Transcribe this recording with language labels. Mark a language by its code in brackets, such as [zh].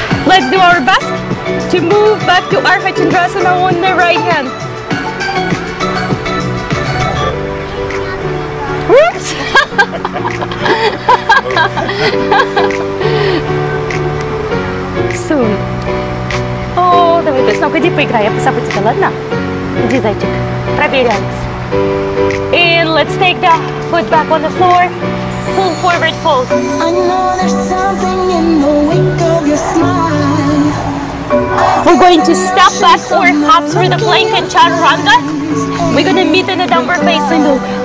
[en] Let's do our best to move back to Arhachandrasana on the right hand. Whoops! Soon. [ru] Давай, то есть, ну-ка, иди поиграй, я позову тебя, ладно? Иди, зайчик, проверяем. [en] And let's take the foot back on the floor. Full forward fold. I know there's something in the wink of your smile. We're going to step back or hop through the plank and chaturanga. We're going to meet in the downward facing dog.